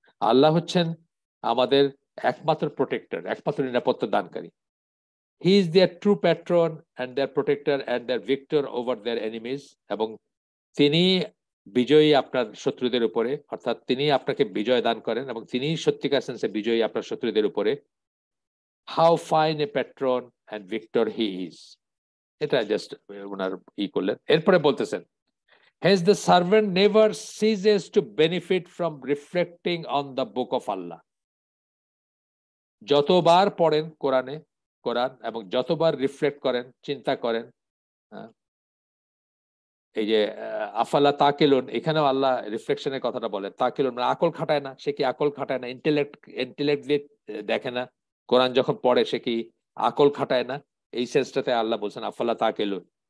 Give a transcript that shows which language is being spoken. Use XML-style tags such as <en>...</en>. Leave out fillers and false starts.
<bn>আল্লাহ হচ্ছেন আমাদের একমাত্র প্রোটেক্টর, একমাত্র নিরাপত্তা দানকারী।</bn> <en>he is their true patron and their protector and their victor over their enemies,</en> <bn>এবং তিনি বিজয়ী আপনার শত্রুদের উপরে, অর্থাৎ তিনি আপনাকে বিজয় দান করেন এবং তিনি সত্যিকার সেন্সে বিজয়ী আপনার শত্রুদের উপরে,</bn> <en>how fine a patron and victor he is.</en> <bn>এটা জাস্ট ওনার ই করলেন। এরপরে বলতেছেন,</bn> <en>has the servant never ceases to benefit from reflecting on the book of Allah.</en> <bn>যতবার পড়েন কোরআনে কোরআন এবং যতবার রিফ্লেক্ট করেন চিন্তা করেন, এই যে</bn> <ar>আফাল্লা তাকিলুন,</ar> <bn>এখানেও আল্লাহ রিফ্লেকশনের কথাটা বলে, তাকিলুন মানে আকল খাটায় না, সে কি আকল খাটায় না, ইন্টেলেক্ট দিয়ে দেখে না, কোরআন যখন পড়ে সে কি আকল খাটায় না, এই সেন্সটাতে আল্লাহ বলছেন আফাল্লা তাকিলুন।</bn>